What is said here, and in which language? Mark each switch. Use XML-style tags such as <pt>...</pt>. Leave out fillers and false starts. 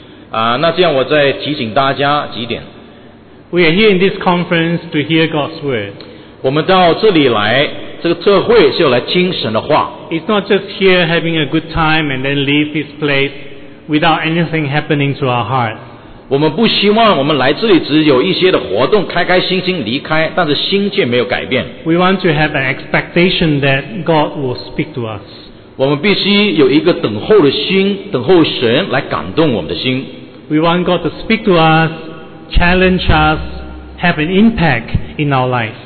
<zh>那这样我再提醒大家几点。</zh> <en>We are here in this conference to hear God's word.</en> <zh>我们到这里来, 这个特会是要来听神的话。</zh> <en>It's not just here having a good time and then leave this place without anything happening to our heart.</en> <zh>我们不希望我们来这里只有一些的活动, 开开心心离开, 但是心却没有改变。</zh> <en>We want to have an expectation that God will speak to us.</en> <zh>我们必须有一个等候的心, 等候神来感动我们的心。</zh> <en>We want God to speak to us, challenge us, have an impact in our life.</en>